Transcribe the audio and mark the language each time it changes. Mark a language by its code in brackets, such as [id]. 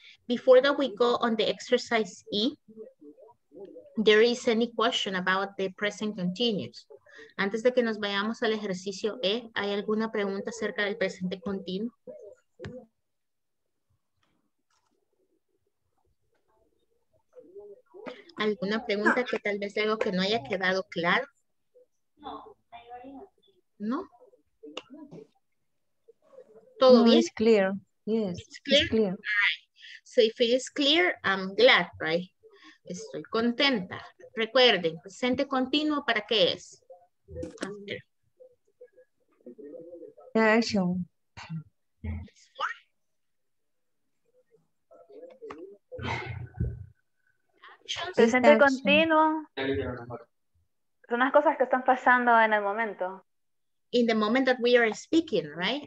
[en] Before that we go on the exercise E, there is any question about the present continuous. [es] Antes de que nos vayamos al ejercicio E, ¿hay alguna pregunta acerca del presente continuo? ¿Alguna pregunta que tal vez algo que no haya quedado claro? ¿No? ¿Todo bien? [en] It's clear. Yes, it's clear. It's clear. So if it is clear, I'm glad, right? [es] Estoy contenta. Recuerden, presente continuo, ¿para qué es? [en] The action. [es] Presente continuo. Son las cosas que están pasando en el momento. [en] In the moment that we are speaking, right?